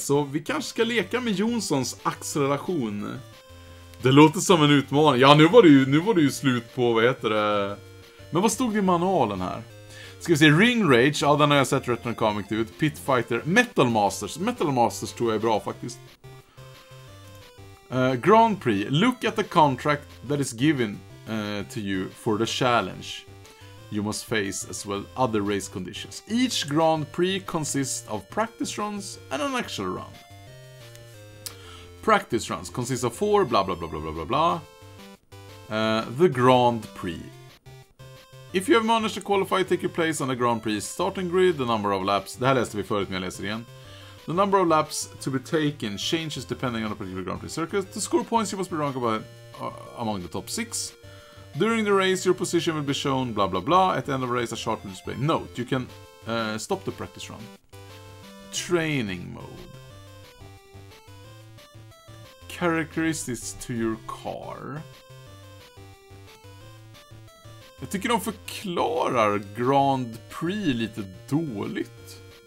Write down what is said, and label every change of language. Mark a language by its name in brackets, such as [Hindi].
[Swedish] Så vi kanske ska leka med Jonssons acceleration. Det låter som en utmaning. Ja, nu var det ju slut på, vad heter det? Men vad stod i manualen här? Ska vi se, Ring Rage, ja, den har jag sett Retro Comic ut. Pit Fighter, Metal Masters tror jag är bra faktiskt. [English] Grand Prix, look at the contract that is given to you for the challenge you must face as well other race conditions. Each Grand Prix consists of practice runs and an actual run. Practice runs consists of 4 bla bla bla bla bla bla bla. The Grand Prix. If you have managed to qualify, take your place on the Grand Prix starting grid, the number of laps... [Swedish] Det här läste vi förut, men jag läser igen. [English] The number of laps to be taken changes depending on the particular Grand Prix circuit. The score points you must be ranked by among the top 6. During the race, your position will be shown, bla bla bla. At the end of the race, a chart will display. Note, you can stop the practice run. Training mode. Characteristics to your car. [Swedish] Jag tycker de förklarar Grand Prix lite dåligt.